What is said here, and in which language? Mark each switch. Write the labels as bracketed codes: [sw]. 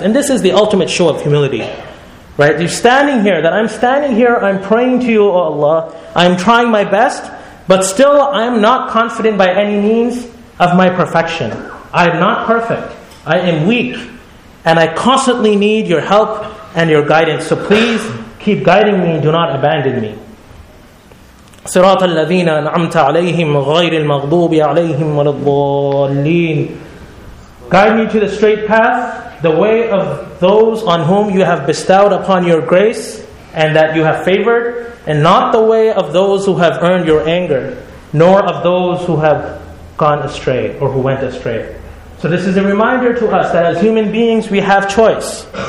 [en] And this is the ultimate show of humility. Right? You're standing here, that I'm standing here, I'm praying to you, O Allah. I'm trying my best, but still I'm not confident by any means of my perfection. I'm not perfect. I am weak. And I constantly need your help and your guidance. So please keep guiding me, do not abandon me. [ar] صراط الذين أنعمت عليهم غير المغضوب عليهم ولا الضالين. [en] Guide me to the straight path, the way of those on whom you have bestowed upon your grace and that you have favored, and not the way of those who have earned your anger, nor of those who have gone astray or who went astray. So this is a reminder to us that as human beings we have choice.